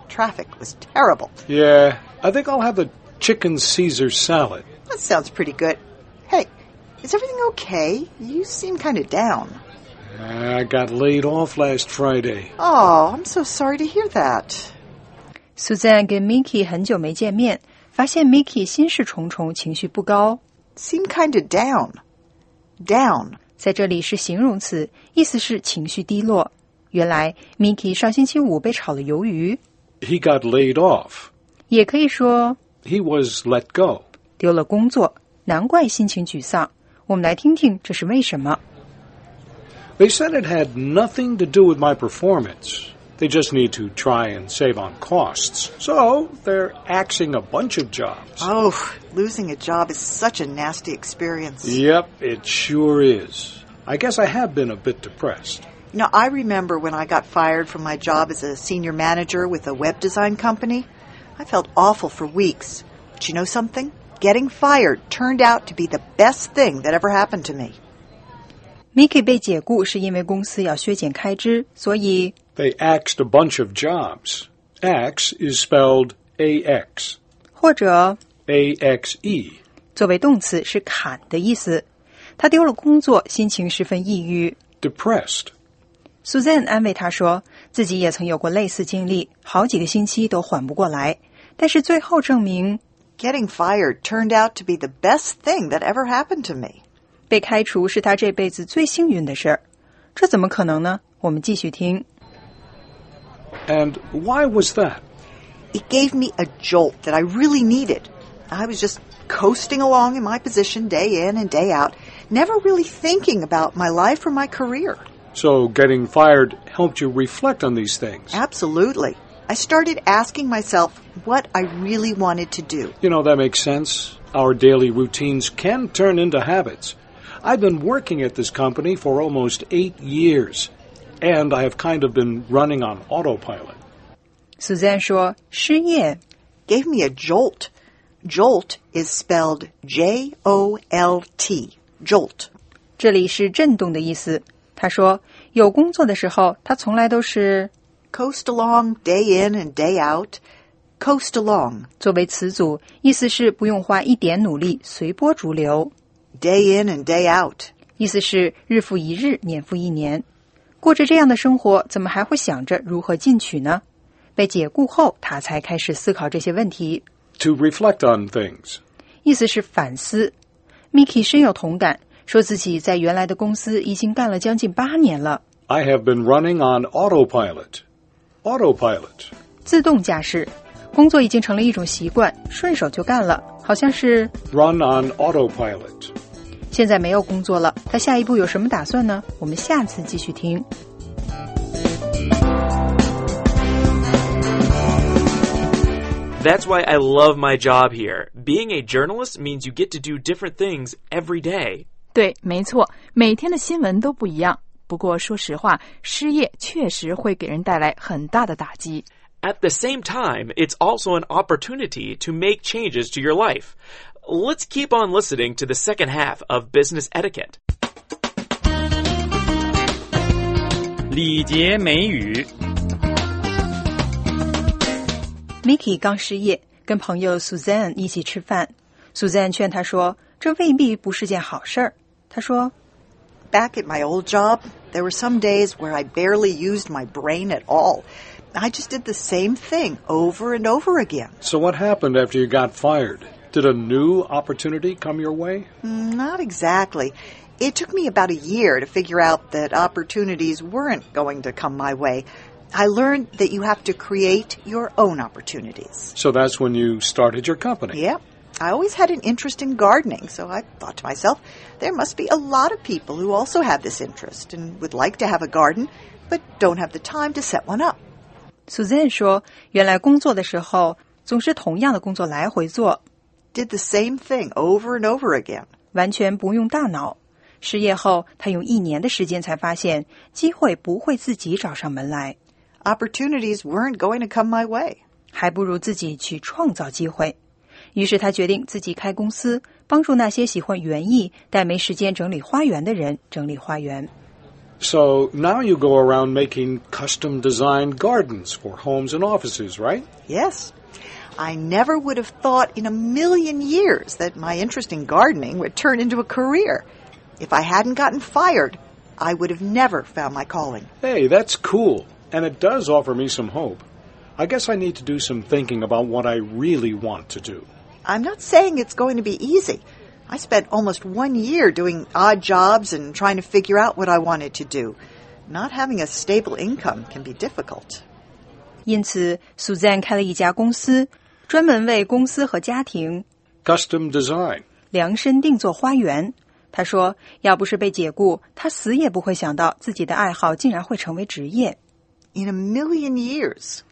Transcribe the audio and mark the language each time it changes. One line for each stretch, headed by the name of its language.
English: Traffic was terrible. Yeah, I think I'll have the chicken Caesar salad. That sounds pretty good. Hey, is everything okay? You seem kind of down. I got laid off last Friday. Oh, I'm so sorry to hear that.
Chinese: Suzanne 跟 Mickey 很久没见面。发现 Mickey 心事重重，情绪不高。
English: Seem kind of down. Down.
Chinese: 在这里是形容词，意思是情绪低落。原来 Mickey 上星期五被炒了鱿鱼。
English: He got laid off.
Chinese: 也可以说
English: He was let go.
Chinese: 丢了工作，难怪心情沮丧。我们来听听这是为什么。
English: They said it had nothing to do with my performance. They just need to try and save on costs. So, they're axing a bunch of jobs. Oh, losing a job is such a nasty experience. Yep, it sure is. I guess I have been a bit depressed. You know, I remember when I got fired from my job as a senior manager with a web design company. I felt awful for weeks. But you know something? Getting fired turned out to be the best thing that ever happened to me.
Chinese: Mickey 被解雇是因为公司要削减开支，所以
English: They axed a bunch of jobs. Axe is spelled A-X.
Chinese: 或者
English: AXE
Chinese: 作为动词是砍的意思。他丢了工作，心情十分抑郁
English: Depressed。
Chinese: Suzanne 安慰他说，自己也曾有过类似经历，好几个星期都缓不过来，但是最后证明
English: Getting fired turned out to be the best thing that ever happened to me。
Chinese: 被开除是他这辈子最幸运的事，这怎么可能呢？我们继续听。
English: And why was that? It gave me a jolt that I really needed. I was just coasting along in my position day in and day out, never really thinking about my life or my career. So getting fired helped you reflect on these things? Absolutely. I started asking myself what I really wanted to do. You know, that makes sense. Our daily routines can turn into habits. I've been working at this company for almost 8 years. And I have kind of been running on autopilot.
Chinese: Suzanne 说失业
English: gave me a jolt. Jolt is spelled J-O-L-T. Jolt.
Chinese: 这里是震动的意思。他说有工作的时候他从来都是
English: coast along day in and day out. Coast along.
Chinese: 作为词组意思是不用花一点努力随波逐流。
English: Day in and day out.
Chinese: 意思是日复一日年复一年。过着这样的生活，怎么还会想着如何进取呢？被解雇后，他才开始思考这些问题。
English: To reflect on things.
Chinese: 意思是反思。 Mickey 深有同感，说自己在原来的公司已经干了将近8年了。
English: I have been running on autopilot. Autopilot.
Chinese: 自动驾驶。工作已经成了一种习惯，顺手就干了，好像是
English: Run on autopilot.
Chinese: 现在没有工作了，他下一步有什么打算呢？我们下次继续听。
English: That's why I love my job here. Being a journalist means you get to do different things every day.
Chinese: 对，没错，每天的新闻都不一样。不过说实话，失业确实会给人带来很大的打击。
English: At the same time, it's also an opportunity to make changes to your life. Let's keep on listening to the second half of Business Etiquette.
Chinese: 礼节美语。 Mickey 刚失业，跟朋友 Suzanne 一起吃饭。 Suzanne 劝他说，这未必不是件好事儿。他说
English: ，Back at my old job, there were some days where I barely used my brain at all. I just did the same thing over and over again. So what happened after you got fired? Did a new opportunity come your way? Not exactly. It took me about a year to figure out that opportunities weren't going to come my way. I learned that you have to create your own opportunities. So that's when you started your company? Yep. I always had an interest in gardening, so I thought to myself, there must be a lot of people who also have this interest and would like to have a garden, but don't have the time to set one up.
Chinese: Suzanne 说，原来工作的时候总是同样的工作来回做。
English: Did the same thing over and over again.
Chinese: 完全不用大脑。失业后，他用一年的时间才发现，机会不会自己找上门来。
English: Opportunities weren't going to come my way.
Chinese: 还不如自己去创造机会。于是他决定自己开公司，帮助那些喜欢园艺但没时间整理花园的人整理花园。
English: So now you go around making custom designed gardens for homes and offices, right? Yes. I never would have thought in a million years that my interest in gardening would turn into a career. If I hadn't gotten fired, I would have never found my calling. Hey, that's cool. And it does offer me some hope. I guess I need to do some thinking about what I really want to do. I'm not saying it's going to be easy. I spent almost 1 year doing odd jobs and trying to figure out what I wanted to do. Not having a stable income can be difficult.
Chinese: 因此 ，Suzanne 开了一家公司，专门为公司和家庭
English: custom design
Chinese: 量身定做花园。他说，要不是被解雇，他死也不会想到自己的爱好竟然会成为职业。
English: In a million years